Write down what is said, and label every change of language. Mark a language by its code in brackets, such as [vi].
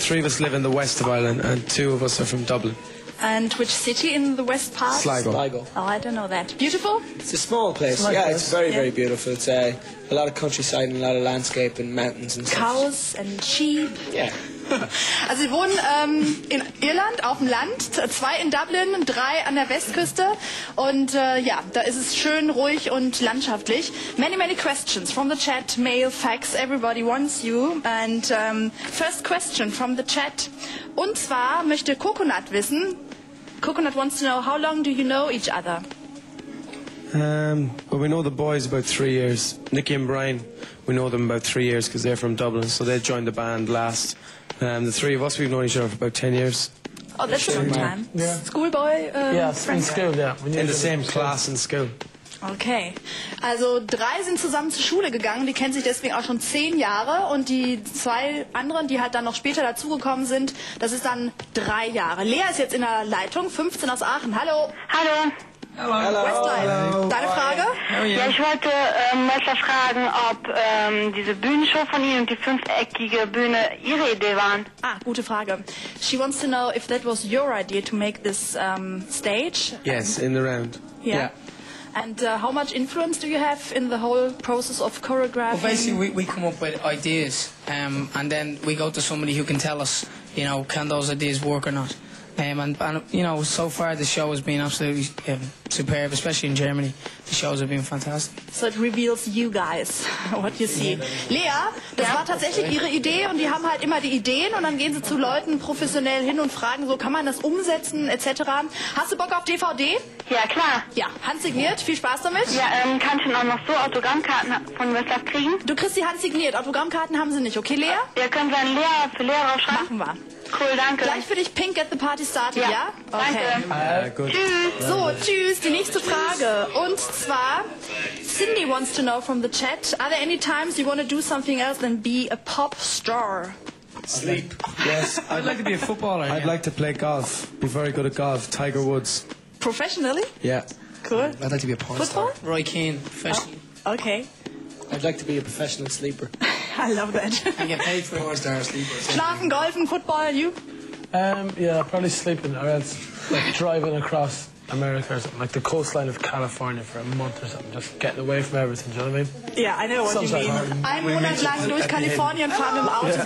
[en] Three of us live in the west of Ireland and two of us are from Dublin. And which city in the west part? Sligo. Oh, I don't know that. Beautiful? It's a small place. It's very, very beautiful. It's a lot of countryside and a lot of landscape and mountains and cows stuff. Cows and sheep. Yeah. [de] Also, Sie wohnen in Irland, auf dem Land. Zwei in Dublin, drei an der Westküste. Und da ist es schön, ruhig und landschaftlich. [en] Many, many questions from the chat, mail, fax. Everybody wants you. And first question from the chat. [de] Und zwar möchte Coconut wissen, [en] Coconut wants to know, how long do you know each other? Well, we know the boys about 3 years. Nicky and Brian, we know them about 3 years because they're from Dublin, so they joined the band last. The three of us, we've known each other for about 10 years. Oh, that's a long time. Yeah. Schoolboy friend? Yeah, in school, yeah. In the same class in school. [de] Okay, also drei sind zusammen zur Schule gegangen, die kennen sich deswegen auch schon 10 Jahre und die zwei anderen, die halt dann noch später dazugekommen sind, das ist dann 3 Jahre. Lea ist jetzt in der Leitung, 15 aus Aachen, hallo. Hallo. Hallo. Westlife, deine Frage? Ja, ich wollte Messer fragen, ob diese Bühnenshow von Ihnen und die fünfeckige Bühne Ihre Idee waren. Ah, gute Frage. [en] She wants to know if that was your idea to make this stage. Yes, in the round. Yeah. And how much influence do you have in the whole process of choreographing? Well, basically, we come up with ideas, and then we go to somebody who can tell us, you know, can those ideas work or not. And you know, so far the show has been absolutely superb, especially in Germany. The shows have been fantastic. So it reveals you guys, what you see. [de] Lea, das war tatsächlich ihre Idee und die haben halt immer die Ideen und dann gehen sie zu Leuten professionell hin und fragen, so kann man das umsetzen, etc. Hast du Bock auf DVD? Ja, klar. Ja, handsigniert, viel Spaß damit. Ja, kann ich denn auch noch so Autogrammkarten von Westlife kriegen? Du kriegst die handsigniert, Autogrammkarten haben sie nicht, okay Lea? Ja, können wir Lea für Lea aufschreiben? Machen wir. Cool, danke. Gleich für dich Pink at the Party Started, ja? Okay. Danke. Gut. Tschüss. So, tschüss. ist die nächste Frage. Und zwar, [en] Cindy wants to know from the chat, are there any times you want to do something else than be a pop star? Sleep. Yes. I'd like to be a footballer. I'd like to play golf. Be very good at golf. Tiger Woods. Professionally? Yeah. Cool. I'd like to be a porn Football? Star. Roy Keane. Professional. Oh, okay. I'd like to be a professional sleeper. I love that. You get paid for porn star sleepers. [de] Schlafen, golfen, [en] football, you? Yeah, probably sleeping, or else like driving across America or something, like the coastline of California for a month or something, just getting away from everything, do you know what I mean? Yeah, I know what Sometimes you mean. [de] Ein Monat lang durch Kalifornien fahren mit dem Auto, yeah.